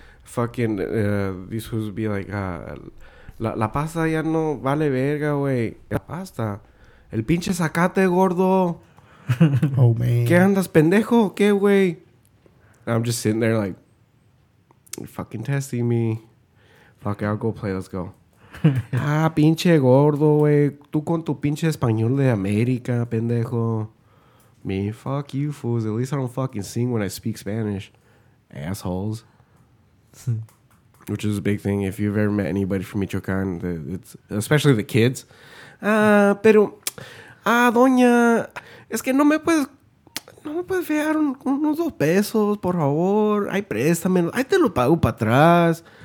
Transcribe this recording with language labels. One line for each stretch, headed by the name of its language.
English: Fucking... this would be like...
Spanish: La pasta ya no vale verga, güey. La pasta. El pinche sacate, gordo.
English: Oh, man.
Spanish: ¿Qué andas, pendejo? ¿Qué, güey?
English: I'm just sitting there like, you're fucking testing me. Fuck it, I'll go play. Let's go.
Spanish: Ah, pinche gordo, güey. Tú con tu pinche español de América, pendejo.
English: Me, fuck you, fools. At least I don't fucking sing when I speak Spanish. Assholes. Which is a big thing. If you've ever met anybody from Michoacán, it's especially the kids.
Spanish: Pero... Ah, doña, es que no me puedes fijar unos dos pesos, por favor. Ay, préstame, ay, te lo pago para atrás.